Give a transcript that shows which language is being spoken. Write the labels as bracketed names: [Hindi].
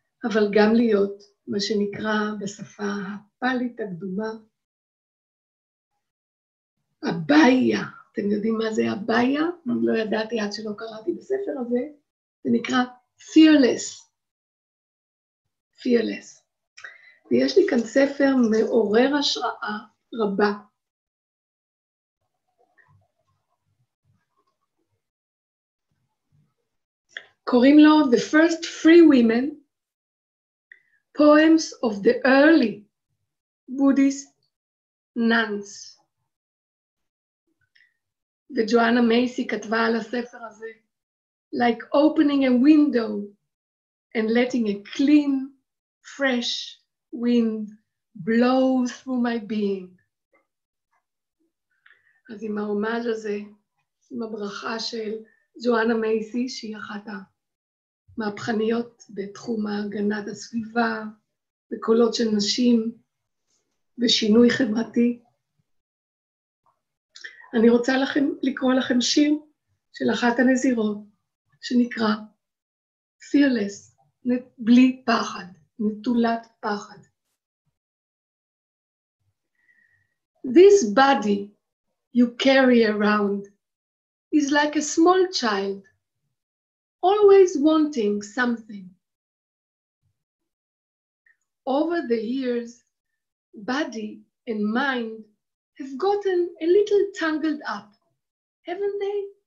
[Hebrew] אבל גם להיות מה שנקרא בשפה הפלית הקדומה, הבעיה, אתם יודעים מה זה הבעיה? אני לא ידעתי עד שלא קראתי בספר הזה, זה נקרא Fearless. ויש לי כאן ספר מעורר השראה רבה, קוראים לו The First Free Women, Poems of the Early Buddhist Nuns. וג'ואנה מייסי כתבה על הספר הזה, Like opening a window and letting a clean, fresh, [English] wind blows through my being. [Hebrew] אז עם ההומאז הזה, עם הברכה של ג'ואנה מייסי, שהיא אחת המהפכניות בתחום הגנת הסביבה, בקולות של נשים, ושינוי חברתי, אני רוצה לכם, לקרוא לכם שיר של אחת הנזירות, שנקרא Fearless, בלי פחד, נטולת פחד. [English] This body you carry around is like a small child, always wanting something. Over the years, body and mind have gotten a little tangled up, haven't they?